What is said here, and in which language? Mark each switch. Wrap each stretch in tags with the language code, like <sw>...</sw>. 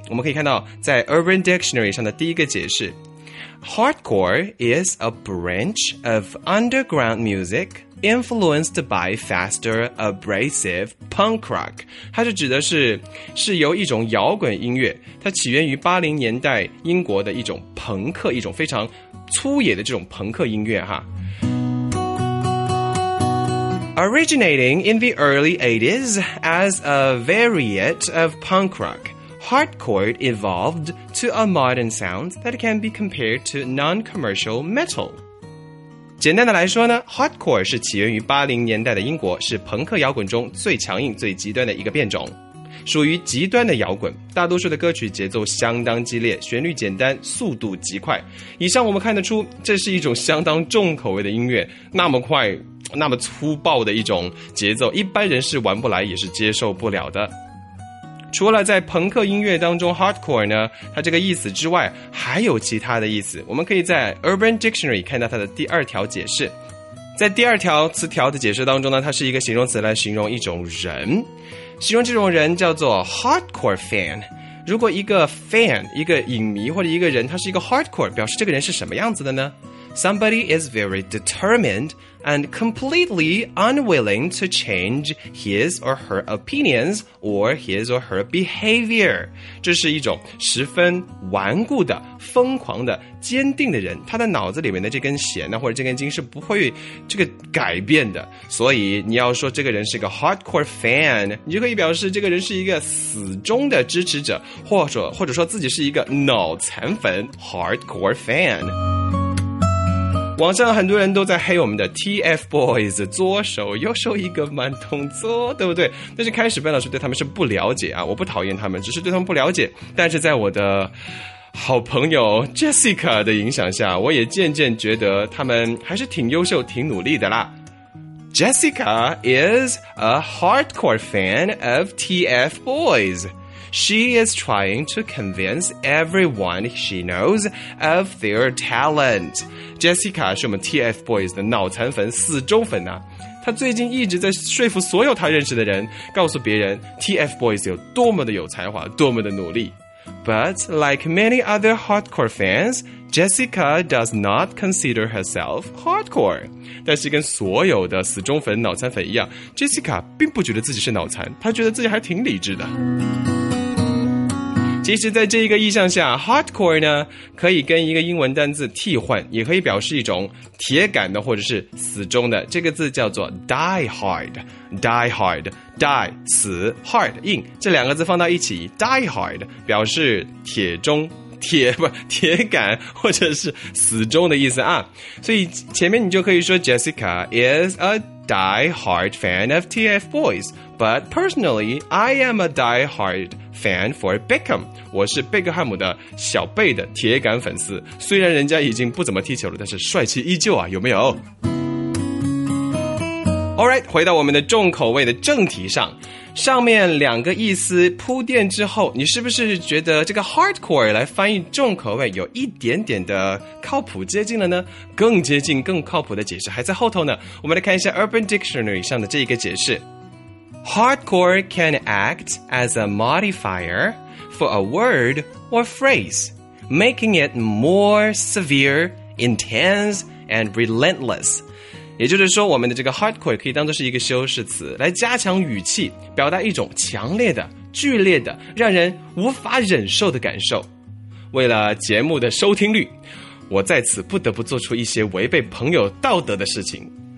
<zh>我们可以看到在 Urban Dictionary 上的第一个解释，</zh> <en>Hardcore is a branch of underground musicinfluenced by faster abrasive punk rock，</en> <zh>它是指的是由一种摇滚音乐，它起源于80年代英国的一种朋克，一种非常粗野的这种朋克音乐哈。</zh> <en>Originating in the early 80s as a variant of punk rockHardcore evolved to a modern sound that can be compared to non-commercial metal。</en> <zh>简单的来说呢， Hardcore 是起源于80年代的英国，是朋克摇滚中最强硬最极端的一个变种，属于极端的摇滚，大多数的歌曲节奏相当激烈，旋律简单，速度极快。以上我们看得出这是一种相当重口味的音乐，那么快那么粗暴的一种节奏，一般人是玩不来也是接受不了的。除了在朋克音乐当中 hardcore 呢它这个意思之外，还有其他的意思。我们可以在 Urban Dictionary 看到它的第二条解释，在第二条词条的解释当中呢，它是一个形容词来形容一种人，形容这种人叫做 hardcore fan。如果一个 fan 一个影迷或者一个人他是一个 hardcore， 表示这个人是什么样子的呢？</zh> <en>Somebody is very determined and completely unwilling to change his or her opinions or his or her behavior.</en> <zh>这是一种十分顽固的、疯狂的、坚定的人，他的脑子里面的这根弦呢，或者这根筋是不会这个改变的。所以你要说这个人是个 hardcore fan， 你就可以表示这个人是一个死忠的支持者，或者说自己是一个脑残粉 hardcore fan。网上很多人都在黑我们的 TFBOYS， 左手右手一个慢动作，对不对？但是开始班老师对他们是不了解啊，我不讨厌他们，只是对他们不了解。但是在我的好朋友 Jessica 的影响下，我也渐渐觉得他们还是挺优秀挺努力的啦。</zh> <en>Jessica is a hardcore fan of TFBOYS。 She is trying to convince everyone she knows of their talent.</en> <zh>Jessica 是我们 TFBOYS 的脑残粉、死忠粉啊！她最近一直在说服所有她认识的人，告诉别人 TFBOYS 有多么的有才华，多么的努力。</zh> <en>But like many other hardcore fans, Jessica does not consider herself hardcore.</en> <zh>但是跟所有的死忠粉、脑残粉一样 ，Jessica 并不觉得自己是脑残，她觉得自己还挺理智的。其实在这一个意象下 hardcore 呢可以跟一个英文单字替换，也可以表示一种铁杆的或者是死忠的，这个字叫做 die hard， die 死， hard 硬，这两个字放到一起 die hard 表示铁忠铁杆或者是死忠的意思啊。所以前面你就可以说</zh> <en>Jessica is a die-hard fan of TFBOYS, but personally, I am a die-hard fan for Beckham.</en> <zh>我是贝克汉姆的小贝的铁杆粉丝，虽然人家已经不怎么踢球了，但是帅气依旧啊，有没有？ Alright, 回到我们的重口味的正题上，上面两个意思铺垫之后，你是不是觉得这个 hardcore 来翻译重口味有一点点的靠谱接近了呢？更接近更靠谱的解释还在后头呢，我们来看一下 Urban Dictionary 上的这一个解释。</zh> <en>Hardcore can act as a modifier for a word or phrase, making it more severe, intense, and relentless.</en> <zh>也就是说我们的这个 hardcore 可以当作是一个修饰词，来加强语气，表达一种强烈的、剧烈的、让人无法忍受的感受。为了节目的收听率，我在此不得不做出一些违背朋友道德的事情。</zh>